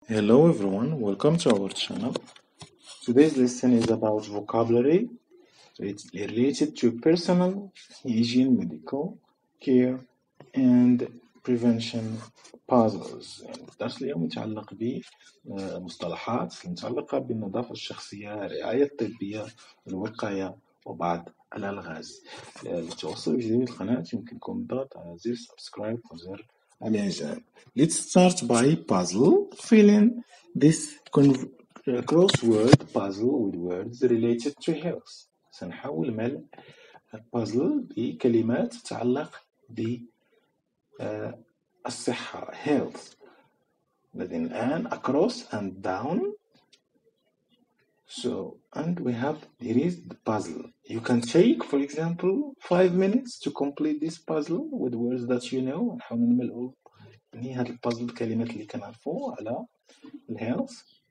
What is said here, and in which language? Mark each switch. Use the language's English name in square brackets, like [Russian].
[English] Hello everyone, welcome to our channel. Today's lesson is about vocabulary. It's related to personal hygiene, medical care and prevention puzzles. [Arabic] الدرس اليوم يتعلق بمصطلحات المتعلقة بالنظافة الشخصية، الرعاية الطبية، الوقاية وبعض الألغاز. للتواصل بجديد القناة يمكنكم الضغط على زر سبسكرايب وزر الإعجاب. [English] Let's start by puzzle. Fill in this crossword puzzle with words related to health. [Arabic] سنحاول ملء البازل بكلمات تتعلق بالصحة health. لدينا الآن [English] across and down. So and we have there is the puzzle. You can take, for example, 5 minutes to complete this puzzle with words that you know. [Arabic] نحاول نملأ يعني هذا البازل بالكلمات اللي كنعرفو على الهيلث.